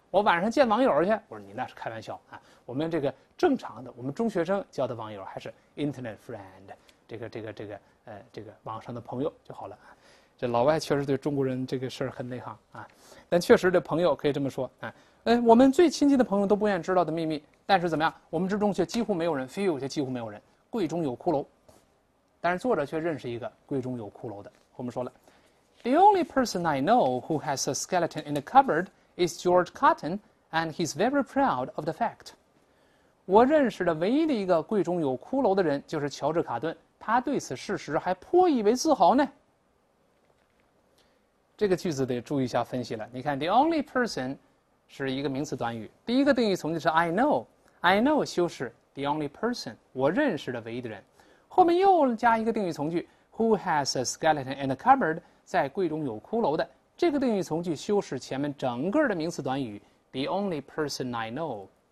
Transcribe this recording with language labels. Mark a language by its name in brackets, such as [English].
[Chinese] 我晚上见网友去。" 我说："你那是开玩笑啊！我们这个正常的，我们中学生交的网友还是 [English] Internet friend， [Chinese] 这个网上的朋友就好了。" 这老外确实对中国人这个事儿很内行啊，但确实这朋友可以这么说啊。我们最亲近的朋友都不愿意知道的秘密，但是怎么样，我们之中却几乎没有人，非有些几乎没有人，贵中有骷髅。但是作者却认识一个闺中有骷髅的。我们说了 [English] ，The only person I know who has a skeleton in the cupboard is George Cotton, and he's very proud of the fact. [Chinese] 我认识的唯一的一个贵中有骷髅的人就是乔治·卡顿，他对此事实还颇以为自豪呢。这个句子得注意一下分析了。你看， [English] "the only person" [Chinese] 是一个名词短语，第一个定语从句是 [English] "I know"，" [Chinese] I know" 修饰 "the only person"，我认识的唯一的人，后面又加一个定语从句 [English] "who has a skeleton in a cupboard"， [Chinese] 在柜中有骷髅的，这个定语从句修饰前面整个的名词短语 [English] "the only person I know"。